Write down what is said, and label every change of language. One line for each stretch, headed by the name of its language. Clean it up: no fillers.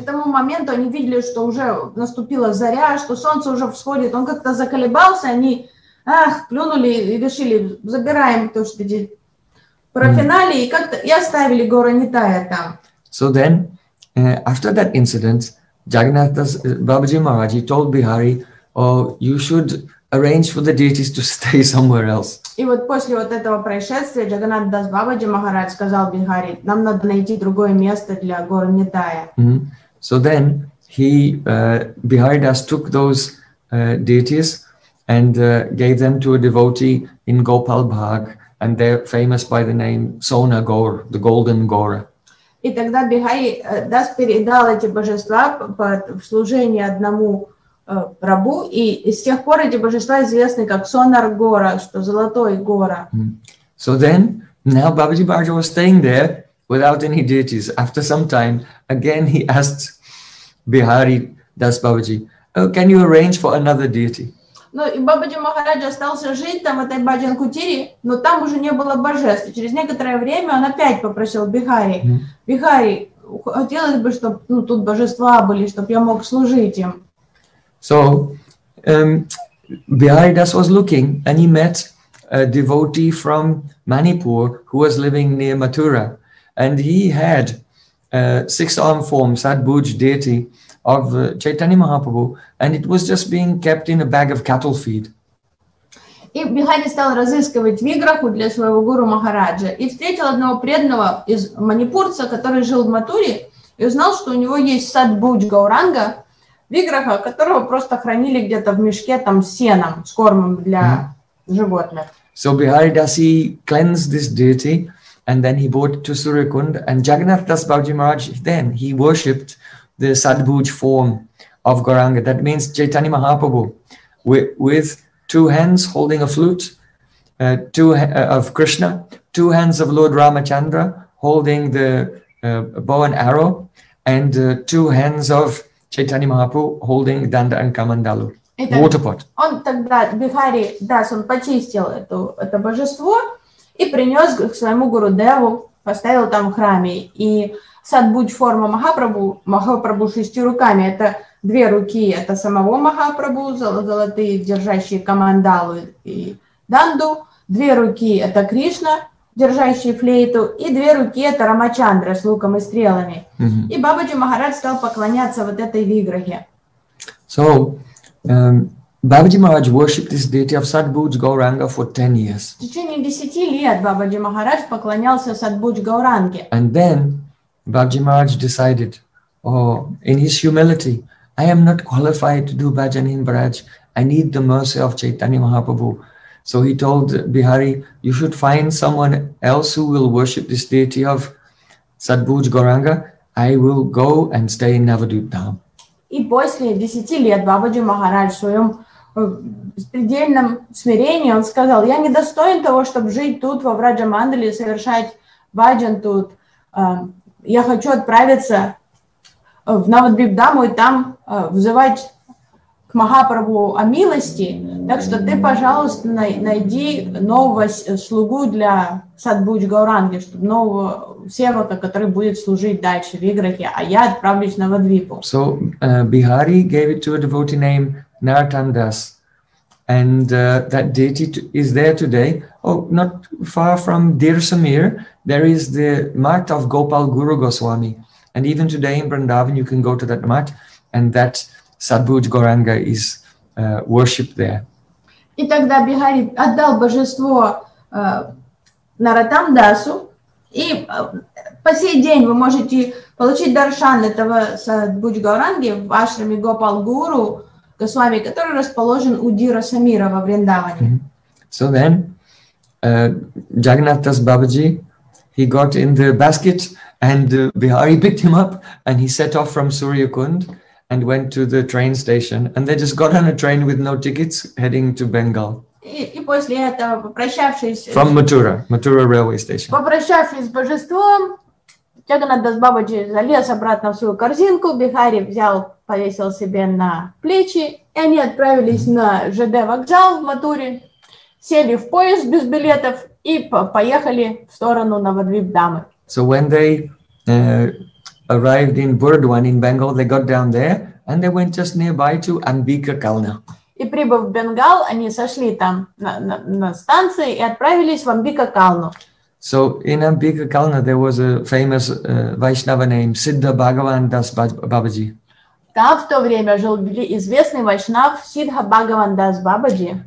Russian: К тому моменту они видели, что уже наступила заря, что солнце уже всходит. Он как-то заколебался, они Ах, плюнули и решили, забираем то, что про финале, и как-то и оставили гора Нитая там.
English: So then, after that incident, Jagannatha's Babaji Maharaji told Bihari, oh, you should arrange for the deities to stay somewhere else.
Russian: И вот после вот этого происшествия Джаганнатдас Бабаджи Махарадж сказал Бихари, нам надо найти другое место для гор Нитая. Mm-hmm.
English: So then he Bihari Das took those deities and gave them to a devotee in Gopal Bhag, and they're famous by the name Sona Gaur, the Golden Gaur.
Russian: И тогда Бихари Дас передал эти божества под служение одному рабу, и с тех пор эти божества известны как Сонар Гора, что Золотой Гора.
English: Mm. So then, now Бабаджи Махарадж was staying there without any deities. After some time, again he asked Bihari Das Babaji, oh, can you arrange for another deity?
Russian: Ну и Бабаджи Махарадж остался жить там в этой Баджан Кутири, но там уже не было божеств. Через некоторое время он опять попросил Бихари, Бихари, хотелось бы, чтобы ну, тут божества были, чтобы я мог служить им.
English: So, Bihari Das was looking and he met a devotee from Manipur who was living near Mathura. And he had a six-armed form, Sadbhuj deity of Chaitanya Mahaprabhu, and it was just being kept in a bag of cattle feed.
Russian: И Бихари стал разыскивать виграху для своего гуру Махараджа и встретил одного преданного из манипурца, который жил в Матуре, и узнал, что у него есть Садбхуджа Гауранга, виграха, которого просто хранили где-то в мешке там с сеном, с кормом для животных.
English: So Bihari Das cleansed this deity, and then he brought it to Surikund, and Jagannath Das Babaji Maharaj, then he worshipped the Sadbhuj form of Gauranga. That means Chaitanya Mahaprabhu, with two hands holding a flute, of Krishna, two hands of Lord Ramachandra holding the bow and arrow, and two hands of Chaitanya Mahaprabhu holding Danda and Kamandalu,
Russian: так,
English: water pot.
Russian: Он тогда, Бихари Дас, он почистил это божество и принес к своему гуру Деву, поставил там в храме. И Садбудж форма Махапрабху, Махапрабху шестью руками, это две руки, это самого Махапрабху, золотые, держащие Камандалу и Данду, две руки, это Кришна, держащий флейту, и две руки это Рамачандра с луком и стрелами. Mm-hmm. И Бабаджи Махарадж стал поклоняться вот этой виграхе.
English: So, Бабаджи Махарадж worshipped this deity of Sadbhuj Gauranga for 10 years.
Russian: В течение 10 лет Бабаджи Махарадж поклонялся Сатбудж Гауранге.
English: And then Бабаджи Махарадж decided, oh, in his humility, I am not qualified to do bhajan in Braj. I need the mercy of Chaitanya Mahaprabhu. So he told Bihari, you should find someone else who will worship this deity of Sadbhuj Gauranga. I will go and stay in Navadvip Dham.
Russian: И после 10 лет Бабаджи Махарадж в своем предельном смирении, он сказал, я не достоин того, чтобы жить тут во Враджа Мандале, совершать баджан тут. Я хочу отправиться в Навадвип Даму и там взывать к Махапрабху о милости, так что ты, пожалуйста, найди нового слугу для Сатбудж Гауранги, чтобы нового севака, который будет служить дальше в Виграхе, а я отправлюсь на Вадвипу.
English: So, Bihari gave it to a devotee named Naratandas, and that deity is there today. Oh, not far from Dir Samir, there is the mat of Gopal Guru Goswami, and even today in Vrindavan you can go to that mat, and that Sadbhuj Gauranga is worshipped there.
Russian: И тогда Бихари отдал божество Наратандасу, и по сей день вы можете получить даршан этого Сатбудж Гауранги в ашраме Гопал Гуру Госвами, который расположен у Дира Самира во Вриндаване.
English: So then, Jagannath Das Babaji, he got in the basket, and Bihari picked him up, and he set off from Suryakund and went to the train station, and they just got on a train with no tickets, heading to Bengal.
Russian: И после этого, попрощавшись...
English: From Mathura, Mathura railway station.
Russian: Попрощавшись с божеством, Jagannath Das Babaji залез обратно в свою корзинку, Бихари взял, повесил себе на плечи, и они отправились на ЖД вокзал в Матуре, сели в поезд без билетов и поехали в сторону Навадвип Дамы.
English: So when they... arrived in Burdwan in Bengal, they got down there and they went just nearby to Ambika Kalna.
Russian: И прибыв в Бенгал, они сошли там на станции и отправились в Амбикакалну.
English: So in Амбикакална there was a famous Vaishnava named Siddha Bhagavan Das Babaji.
Russian: Там в то время жил известный Вайшнав Сидха Бхагаван Дас Бабаджи.